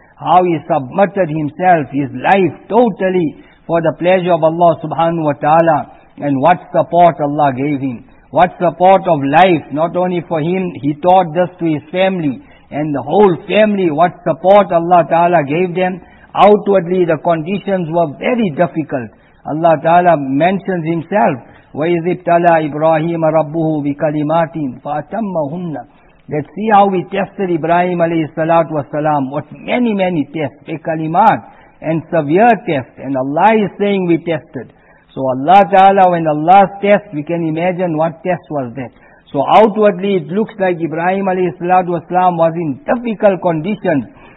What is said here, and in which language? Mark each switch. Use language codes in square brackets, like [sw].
[en] How he submitted himself, his life totally for the pleasure of Allah subhanahu wa ta'ala. And what support Allah gave him. What support of life, not only for him, he taught this to his family. And the whole family, what support Allah ta'ala gave them. Outwardly the conditions were very difficult. Allah ta'ala mentions himself, [ar] وَإِذِ ابْتَلَىٰ إِبْرَاهِيمَ رَبُّهُ بِكَلِمَاتٍ فَأَتَمَّهُنَّ. [en] Let's see how we tested Ibrahim alayhi salatu wasalam with many, many tests, a kalimat, and severe tests. And Allah is saying we tested. So Allah Ta'ala, when Allah's test, we can imagine what test was that. So outwardly it looks like Ibrahim alayhi salatu wasalam was in difficult conditions.